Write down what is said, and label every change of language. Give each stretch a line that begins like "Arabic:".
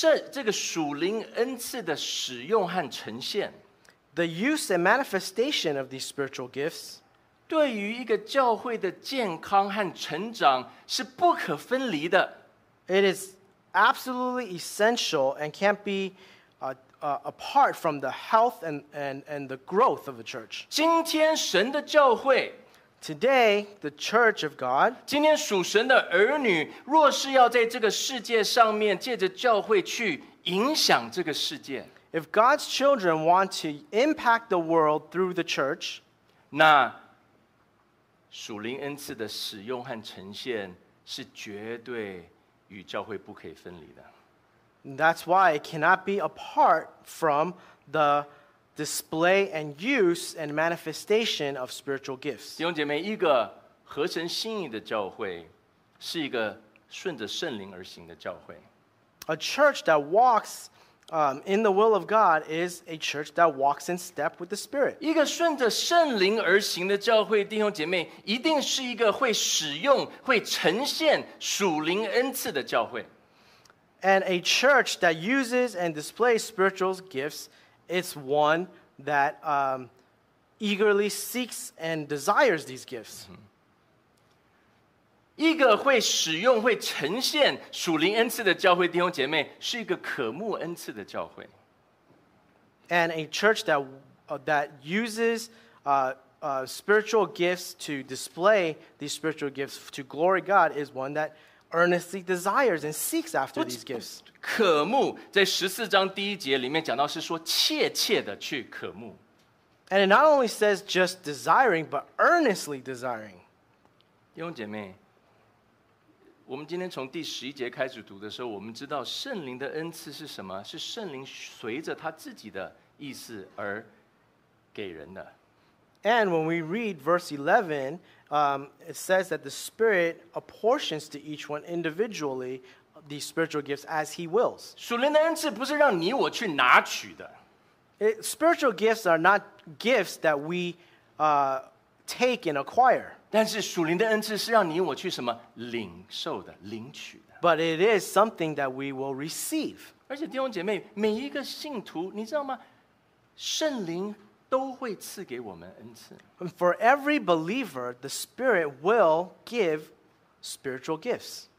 Chinese: 这个属灵恩赐的使用和呈现，
English: the use and manifestation of these spiritual gifts，
Chinese: 对于一个教会的健康和成长是不可分离的。
English: It is absolutely essential and can't be apart from the health and the growth of the church.
Chinese: 今天神的教会，
English: Today, the church of God,
Chinese: 今天属神的儿女若是要在这个世界上面借着教会去影响这个世界，
English: If God's children want to impact the world through the church,
Chinese: 那属灵恩赐的使用和呈现是绝对与教会不可以分离的。
English: That's why it cannot be apart from the display and use and manifestation of spiritual gifts.
Chinese: 弟兄姐妹，一个合神心意的教会是一个顺着圣灵而行的教会。
English: A church that walks in the will of God is a church that walks in step with the Spirit.
Chinese: 一个顺着圣灵而行的教会，弟兄姐妹，一定是一个会使用、会呈现属灵恩赐的教会。
English: And a church that uses and displays spiritual gifts is one that eagerly seeks and desires these gifts.
Chinese: 一个会使用、会呈现属灵恩赐的教会，弟兄姐妹，是一个渴慕恩赐的教会。
English: And a church that uses spiritual gifts to display these spiritual gifts to glory God is one that earnestly desires and seeks after these gifts.
Chinese: 渴慕在十四章第一节里面讲到是说切切的去渴慕。
English: And it not only says just desiring, but earnestly desiring.
Chinese: 弟兄姐妹，我们今天从第十一节开始读的时候，我们知道圣灵的恩赐是什么？是圣灵随着他自己的意思而给人的。
English: And when we read verse 11, it says that the Spirit apportions to each one individually the spiritual gifts as he wills.
Chinese: 属灵的恩赐不是让你我去拿取的。
English: Spiritual gifts are not gifts that we take and acquire.
Chinese: 但是属灵的恩赐是让你我去什么领受的，领取的。
English: But it is something that we will receive.
Chinese: 而且弟兄姐妹，每一个信徒，你知道吗？圣灵都会赐给我们恩赐。
English: For every believer, the Spirit will give spiritual gifts.